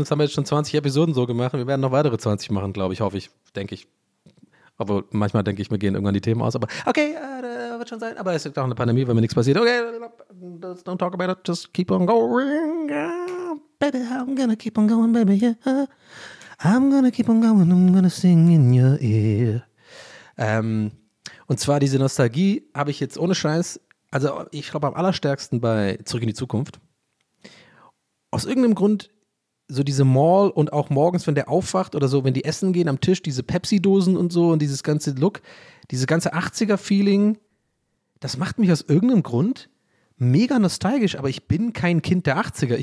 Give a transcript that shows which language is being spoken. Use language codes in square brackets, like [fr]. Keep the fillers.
[de] Das haben wir jetzt schon 20 Episoden so gemacht. Wir werden noch weitere 20 machen, glaube ich, hoffe ich, denke ich. Aber manchmal denke ich, mir gehen irgendwann die Themen aus. Aber okay, äh, wird schon sein. Aber es ist auch eine Pandemie, wenn mir nichts passiert. [en] Okay, don't talk about it, just keep on going. Baby, I'm gonna keep on going, baby, yeah. I'm gonna keep on going, I'm gonna sing in your ear. [de] Ähm, und zwar diese Nostalgie habe ich jetzt ohne Scheiß, also ich glaube am allerstärksten bei Zurück in die Zukunft. Aus irgendeinem Grund so diese Mall und auch morgens, wenn der aufwacht oder so, wenn die essen gehen am Tisch, diese Pepsi-Dosen und so und dieses ganze Look, dieses ganze 80er-Feeling, das macht mich aus irgendeinem Grund mega nostalgisch, aber ich bin kein Kind der 80er.